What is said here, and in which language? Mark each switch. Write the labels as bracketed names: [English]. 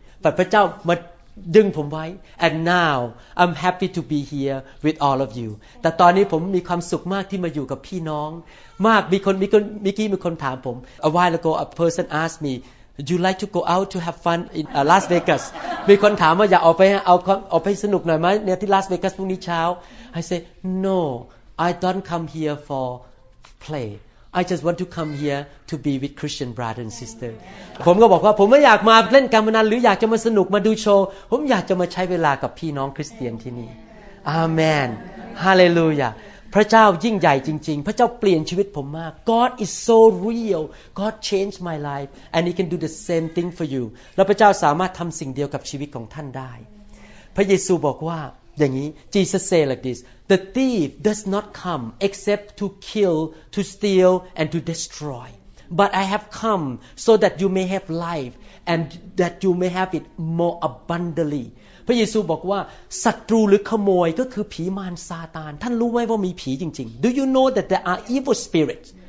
[Thai] แต่พระเจ้ามาดึงผมไว้ [English] and now I'm happy to be here with all of you [Thai] แต่ตอนนี้ผมมีความสุขมากที่มาอยู่กับพี่น้องมากมีคนเมื่อกี้มีคนถามผม [English] a while ago a person asked me you like to go out to have fun in Las Vegas [Thai] มีคนถามว่าอยากออกไปสนุกหน่อยไหมในที่ลาสเวกัสพรุ่งนี้เช้า [English] I say no I don't come here for playI just want to come here to be with Christian brother and sister. [Thai] ผมก็บอกว่าผมไม่อยากมาเล่นการพนันหรืออยากจะมาสนุกมาดูโชว์ผมอยากจะมาใช้เวลากับพี่น้องคริสเตียนที่นี่อาเมนฮาเลลูยาพระเจ้ายิ่งใหญ่จริงๆพระเจ้าเปลี่ยนชีวิตผมมาก [English] God is so real. God changed my life and he can do the same thing for you. [Thai] แล้วพระเจ้าสามารถทำสิ่งเดียวกับชีวิตของท่านได้พระเยซูบอกว่าอย่างนี้ [English] Jesus say like this the thief does not come except to kill to steal and to destroy but I have come so that you may have life and that you may have it more abundantly [Thai] พระเยซูบอกว่าศัตรูหรือขโมยก็คือผีมารซาตานท่านรู้ไหมว่ามีผีจริงๆ [English] do you know that there are evil spirit